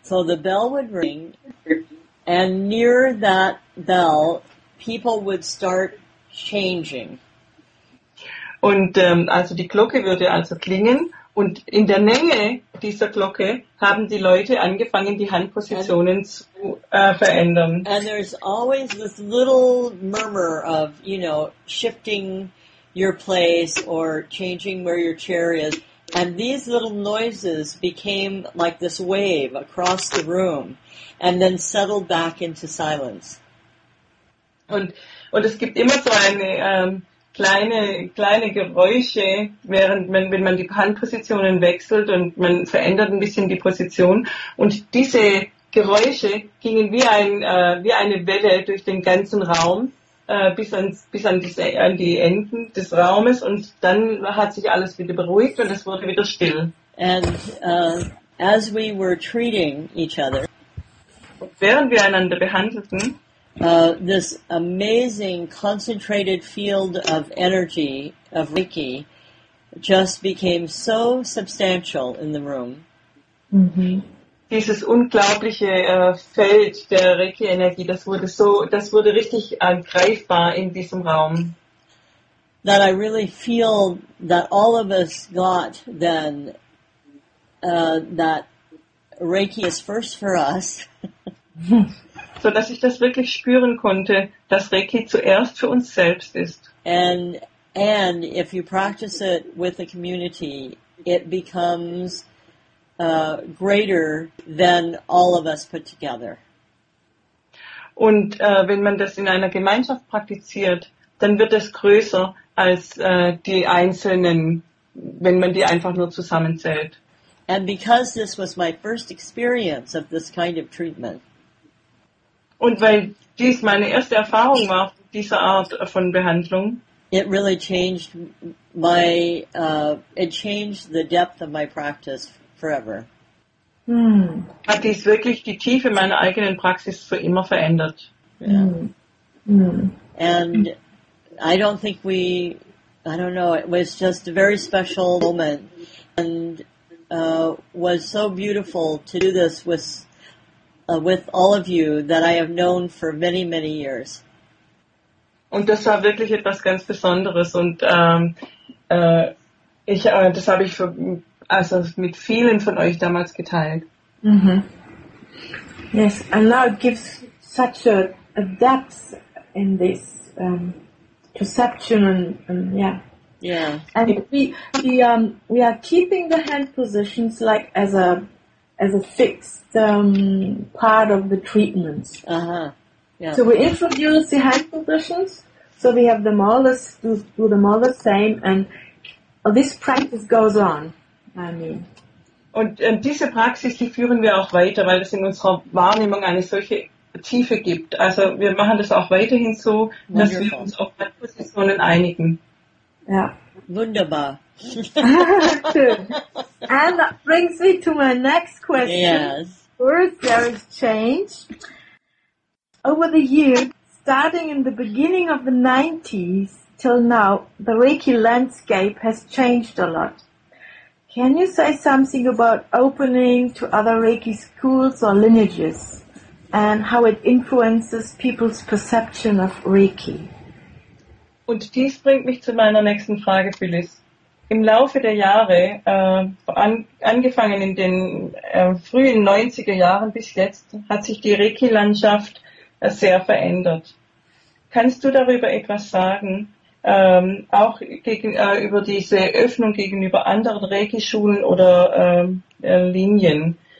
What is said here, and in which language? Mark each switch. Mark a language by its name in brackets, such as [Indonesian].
[English] So the bell would ring. And near that bell, people would start changing. [German] Und also die Glocke würde also klingen. Und in der Nähe dieser Glocke haben die Leute angefangen, die Handpositionen zu verändern. [English] And there's always this little murmur of, you know, shifting your place or changing where your chair is. And these little noises became like this wave across the room and then settled back into silence. [German] Und es gibt immer so eine kleine Geräusche, während wenn man die Handpositionen wechselt und man verändert ein bisschen die Position. Und diese Geräusche gingen wie eine Welle durch den ganzen Raum. Bis an die Enden des Raumes und dann hat sich alles wieder beruhigt und es wurde wieder still. [English] And as we were treating each other, [German] während wir einander behandelten, [English] this amazing concentrated field of energy of Reiki just became so substantial in the room. Mm-hmm. [German] Dieses unglaubliche Feld der Reiki-Energie, das wurde richtig greifbar in diesem Raum. [English] That I really feel that all of us got then that Reiki is first for us. [German] So dass ich das wirklich spüren konnte, dass Reiki zuerst für uns selbst ist. [English] And if you practice it with the community, it becomes greater than all of us put together. [German] Und wenn man das in einer Gemeinschaft praktiziert, dann wird es größer als die Einzelnen, wenn man die einfach nur zusammenzählt. [English] And because this was my first experience of this kind of treatment. [German] Und weil dies meine erste Erfahrung war, dieser Art von Behandlung. [English] It really changed it changed the depth of my practice forever. Hm. [German] Hat dies wirklich die Tiefe meiner eigenen Praxis für immer verändert. [English] Yeah. Hm. And I don't think we, I don't know, it was just a very special moment and was so beautiful to do this with all of you that I have known for many, many years. [German] Und das war wirklich etwas ganz Besonderes und das habe ich für also mit vielen von euch damals geteilt. Mm-hmm. [English] Yes, and now it gives such a depth in this perception and. And we are keeping the hand positions like as a fixed part of the treatments. Uh-huh. Yeah. So we introduce the hand positions, so we have them all do them all the same, and this practice goes on. [German] Und diese Praxis, die führen wir auch weiter, weil es in unserer Wahrnehmung eine solche Tiefe gibt. Also wir machen das auch weiterhin so, dass wir uns auf Positionen einigen. Ja. Wunderbar. [English] And that brings me to my next question. Yes. First, there is change. Over the years, starting in the beginning of the 90s till now, the Reiki landscape has changed a lot. Can you say something about opening to other Reiki schools or lineages and how it influences people's perception of Reiki? [German] Und dies bringt mich zu meiner nächsten Frage, Phyllis. im Laufe der Jahre, angefangen in den frühen 90er Jahren bis jetzt, hat sich die Reiki-Landschaft sehr verändert. Kannst du darüber etwas sagen, auch über diese Öffnung gegenüber anderen Reiki-Schulen oder Linien?